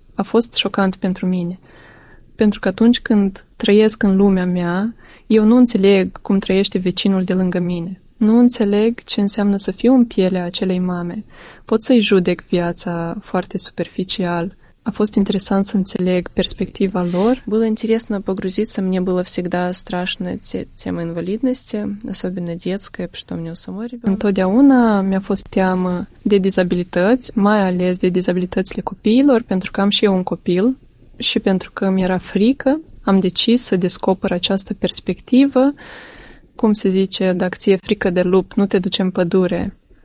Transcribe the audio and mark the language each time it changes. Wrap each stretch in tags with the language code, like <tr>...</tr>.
<ro>A fost șocant pentru mine. Pentru că atunci când trăiesc în lumea mea, eu nu înțeleg cum trăiește vecinul de lângă mine. Nu înțeleg ce înseamnă să fiu în pielea acelei mame. Pot să-i judec viața foarte superficial. A fost interesant să înțeleg perspectiva lor.</ro> <ru>Было интересно погрузиться. Мне было всегда страшно тема инвалидности, особенно детская, потому что у меня у самой ребенка.</ru> <ro>Întotdeauna mi-a fost teamă de dizabilități, mai ales de dizabilitățile copiilor, pentru că am și eu un copil și pentru că mi-era frică. Am decis să descoper această perspectivă, cum se zice, dacă ți-e frică de lup, nu te duce în pădure.</ro>